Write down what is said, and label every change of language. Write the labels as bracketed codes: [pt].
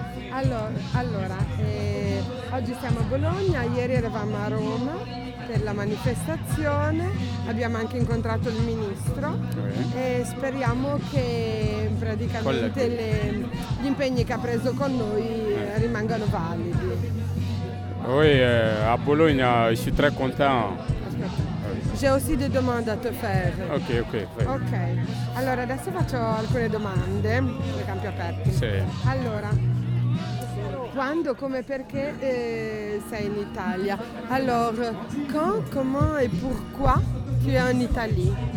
[it] Allora, oggi siamo a Bologna, ieri eravamo a Roma per la manifestazione, abbiamo anche incontrato il ministro e speriamo che praticamente gli impegni che ha preso con noi rimangano validi. [fr] Oui, à Bologna, je suis très content. J'ai aussi des domandes à te faire. Ok. [it] Allora, adesso faccio alcune domande, le campi aperti. Sì. Allora, quando, come, perché sei in Italia? [fr] Allora, quand, comment et pourquoi tu es en Italie?